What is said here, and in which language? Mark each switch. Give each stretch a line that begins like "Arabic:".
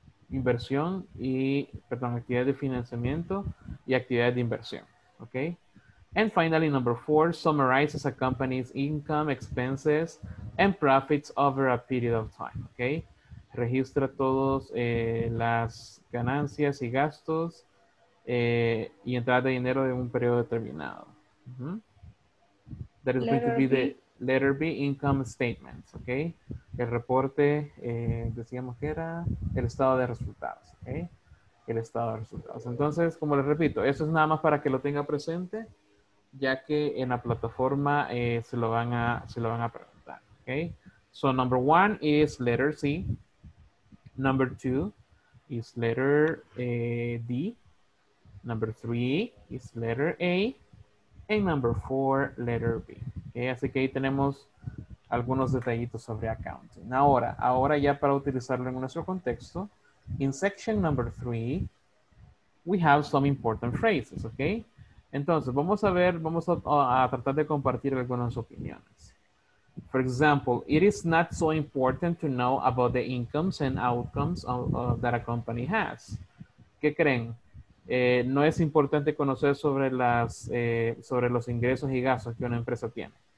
Spanish: inversión y, perdón, actividades de financiamiento y actividades de inversión, ¿ok?
English: And finally, number four, summarizes a company's income, expenses, and profits over a period of time, ¿ok?
Spanish: Registra todas las ganancias y gastos y entradas de dinero en un periodo determinado. Uh-huh.
English: That is going to be the letter B, income statements, ¿ok?
Spanish: El reporte, decíamos que era el estado de resultados, ¿ok? El estado de resultados. Entonces, como les repito, eso es nada más para que lo tenga presente, ya que en la plataforma se lo van a preguntar, ¿ok?
English: So, number one is letter C. Number two is letter D. Number three is letter A. And number four, letter B, ¿ok?
Spanish: Así que ahí tenemos algunos detallitos sobre accounting. Ahora ya para utilizarlo en nuestro contexto,
English: in section number three, we have some important phrases, ¿ok?
Spanish: Entonces, vamos a tratar de compartir algunas opiniones.
English: For example, it is not so important to know about the incomes and outcomes that a company has.
Spanish: ¿Qué creen? No es importante conocer sobre las sobre los ingresos y gastos que una empresa tiene.